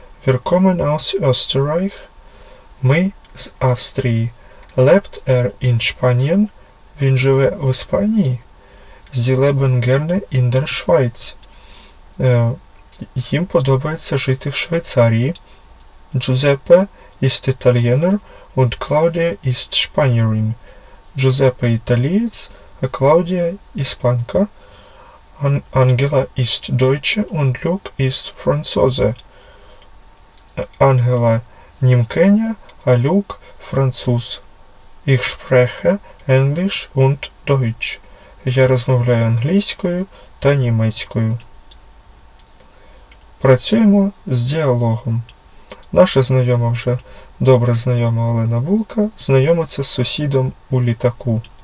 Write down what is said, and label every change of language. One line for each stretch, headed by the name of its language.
German: Wir kommen aus Österreich.
Ukrainian: Ми з Австрії.
German: Lebt in Spanien?
Ukrainian: Він живе в Іспанії.
German: Sie leben gerne in der Schweiz.
Ukrainian: Їм подобається жити в Швейцарії.
German: Giuseppe ist Italiener und Claudia ist Spanierin.
Ukrainian: Giuseppe італієць, а Claudia іспанка.
German: Angela ist Deutsche und Luke ist Franzose.
Ukrainian: Ангела – німкеня, а Люк – француз.
German: Ich spreche Englisch und Deutsch.
Ukrainian: Я розмовляю англійською та німецькою. Працюємо з діалогом. Наша знайома вже добре знайома Олена Булка знайомиться з сусідом у літаку.